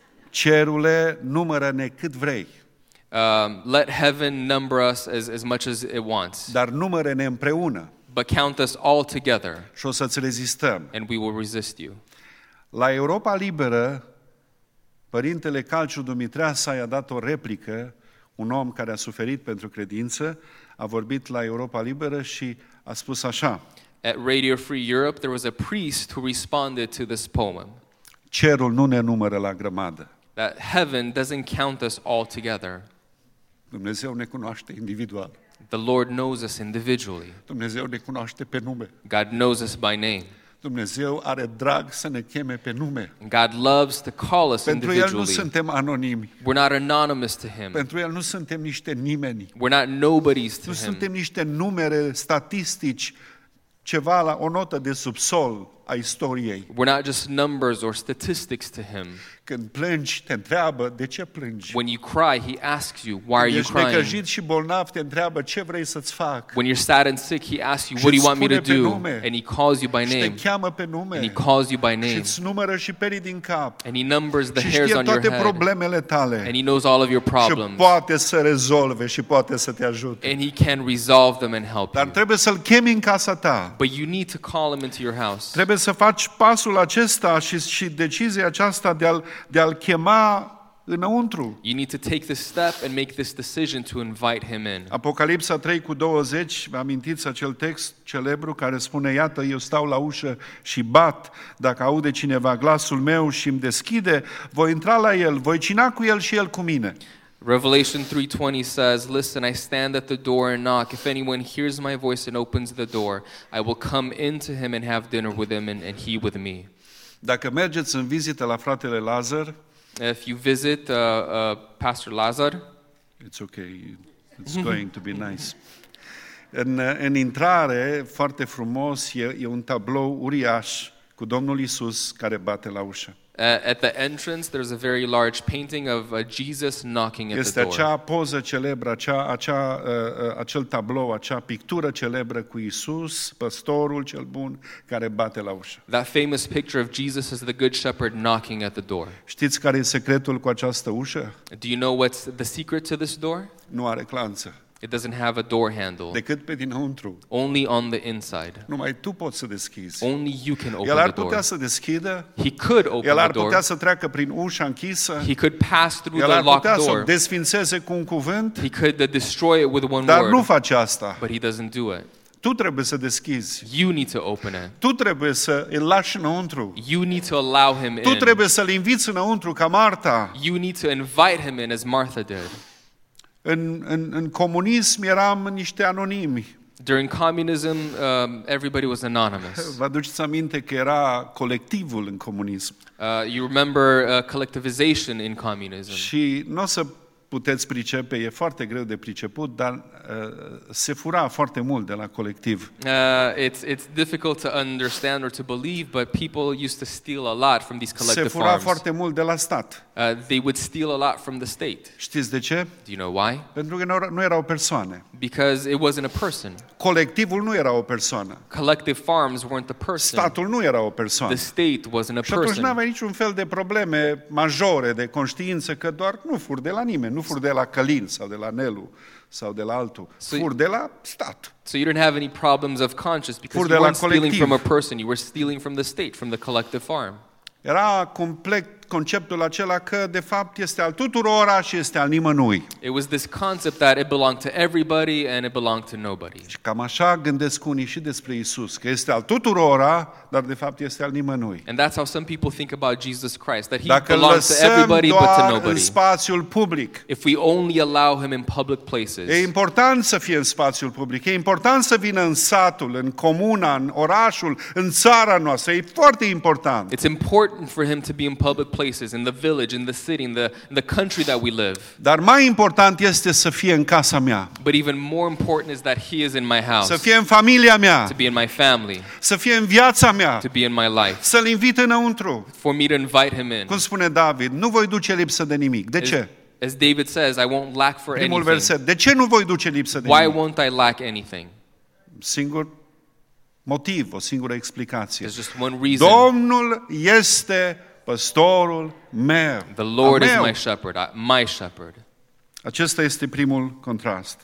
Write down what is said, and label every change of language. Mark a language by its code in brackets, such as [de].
[ro] Cerule, numără-ne cât vrei. [en] Let heaven number us as much as it wants. [ro] Dar numără-ne împreună. [en] But count us all together. [ro] Și o să-ți rezistăm. [en] And we will resist you. [ro] La Europa Liberă, Părintele Calciu Dumitreasa i-a dat o replică, un om care a suferit pentru credință, a vorbit la Europa Liberă și a spus așa. [en] At Radio Free Europe, there was a priest who responded to this poem. [ro] Cerul nu ne numără la grămadă. [en] That heaven doesn't count us all together. [ro] Dumnezeu ne cunoaște individual. [en] The Lord knows us individually. [ro] Dumnezeu ne cunoaște pe nume. [en] God knows us by name. [ro] Dumnezeu are drag să ne cheme pe nume. [en] God loves to call us [ro] Pentru [en] individually. [ro] Pentru El nu suntem anonimi. [en] We're not anonymous to Him. [ro] Pentru El nu suntem niște nimeni. [en] We're not nobodies to Him. [ro] Nu suntem niște numere statistici, ceva la o notă de subsol a istoriei. [en] We're not just numbers or statistics to Him. [ro] Când plângi, te întreabă de ce plângi. [en] When you cry, He asks you, why are you crying? [ro] Când ești necăjit și bolnav, te întreabă ce vrei să-ți fac. [en] When you're sad and sick, He asks you, what do you want me to do? And He calls you by name. [ro] Și te cheamă pe nume. [en] And He calls you by name. [ro] Și îți numără și perii din cap. [en] And He numbers the hairs on your head. [ro] Și știe toate problemele tale. [en] And He knows all of your problems. [ro] Și poate să rezolve și poate să te ajute. [en] And He can resolve them and help you. [ro] Dar trebuie să-l chemi în casa ta. [en] But you need to call Him into your house. [ro] Trebuie să faci pasul acesta și decizia aceasta de a-l chema înăuntru. [en] You need to take this step and make this decision to invite him in. [ro] Apocalipsa 3:20, vă amintiți acel text celebru care spune: Iată, eu stau la ușă și bat. Dacă aude cineva glasul meu și îmi deschide, voi intra la el, voi cina cu el și el cu mine. [en] Revelation 3:20 says, Listen, I stand at the door and knock. If anyone hears my voice and opens the door, I will come into him and have dinner with him and he with me. [ro] Dacă mergeți în vizită la fratele Lazar, [en] if you visit Pastor Lazar, it's okay, it's going to be nice. [ro] În intrare, foarte frumos, e un tablou uriaș cu Domnul Iisus care bate la ușă. [en] At the entrance, there's a very large painting of Jesus knocking at [ro] este [en] the door. [ro] Este acea poză celebră, acel tablou, acea pictură celebră cu Iisus, păstorul cel bun, care bate la ușă. [en] That famous picture of Jesus as the good shepherd knocking at the door. [ro] Știți care e secretul cu această ușă? [en] Do you know what's the secret to this door? [ro] Nu are clanță. [en] It doesn't have a door handle. [ro] Decât pe dinăuntru. [en] Only on the inside. [ro] Numai tu poți să deschizi. [en] Only you can open the door. [ro] El ar putea să deschidă. [en] He could open the door. [ro] El ar putea să treacă prin ușa închisă. [en] He could pass through the locked door. [ro] El ar putea să o desfințeze cu un cuvânt. [en] He could destroy it with one [ro] dar [en] word. [ro] Dar nu face asta. [en] But he doesn't do it. [ro] Tu trebuie să deschizi. [en] You need to open it. [ro] Tu trebuie să îl lași înăuntru. [en] You need to allow him [ro] tu [en] in. [ro] Tu trebuie să-l inviți înăuntru ca Marta. [en] You need to invite him in as Martha did. [ro] În comunism eram niște anonimi. [en] During communism, everybody was anonymous. [ro] Vă aduceți aminte că era colectivul în comunism. [en] You remember collectivization in communism. [ro] Și nu o să puteți pricepe, e foarte greu de priceput, dar se fura foarte mult de la colectiv. [en] It's difficult to understand or to believe, but people used to steal a lot from these collective farms. [ro] Se fura foarte mult de la stat. [en] They would steal a lot from the state. [ro] Știți de ce? [en] Do you know why? [ro] Pentru că nu erau persoane. [en] Because it wasn't a person. [ro] Colectivul nu era o persoană. [en] Collective farms weren't the person. [ro] Statul nu era o persoană. [en] The state wasn't a person. [ro] Și atunci n-aveai niciun fel de probleme majore de conștiință că doar nu fur de la nimeni, nu fur de la Călin sau de la Nelu sau de la altul, fur de la stat. [en] So you didn't have any problems of conscience because you weren't stealing from a person, you were stealing from the state, from the collective farm. [ro] Era complet conceptul acela că de fapt este al tuturora și este al nimănui. [en] It was this concept that it belonged to everybody and it belonged to nobody. [ro] Și cam așa gândesc unii și despre Iisus, că este al tuturora, dar de fapt este al nimănui. [en] And that's how some people think about Jesus Christ, that he [ro] dacă [en] belongs to everybody but to nobody. [ro] În spațiul public. [en] If we only allow him in public places. [ro] E important să fie în spațiul public. E important să vină în satul, în comuna, în orașul, în țara noastră. E foarte important. [en] It's important for him to be in public places, in the village, in the city, in the country that we live. [ro] Dar mai important este să fie în casa mea. [en] But even more important is that he is in my house. [ro] Să fie în familia mea. [en] To be in my family. [ro] Să fie în viața mea. [en] To be in my life. [ro] Să-l invit înăuntru. [en] For me to invite him in. [ro] Cum spune David, nu voi duce lipsă de nimic. De ce? [en] As David says, I won't lack for [ro] primul [en] anything. [ro] Verset, de ce nu voi duce lipsă de [en] Why [ro] nimic? [en] Won't I lack anything? [ro] Singur motiv, o singură explicație. [en] There's just one reason. [ro] Domnul este păstorul meu. [en] The Lord is my shepherd, my shepherd. [ro] Acesta este primul contrast.